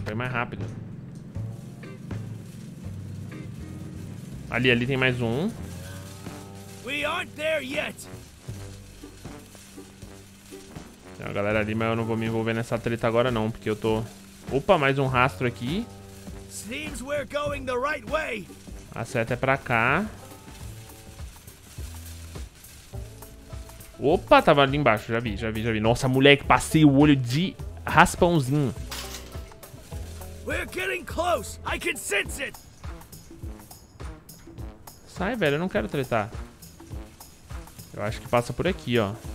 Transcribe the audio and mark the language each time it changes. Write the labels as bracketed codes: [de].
[pt] Vai mais rápido. Ali, ali tem mais um. [en] We aren't there yet. [pt] Tem uma galera ali, mas eu não vou me envolver nessa treta agora não, porque eu tô... Opa, mais um rastro aqui. [en] Seems we're going the right way. [pt] A seta é pra cá. Opa, tava ali embaixo, já vi, já vi, já vi. Nossa, moleque, passei o olho de raspãozinho. [en] We're getting close. I can sense it. [pt] Sai, velho, eu não quero tretar. Eu acho que passa por aqui, ó.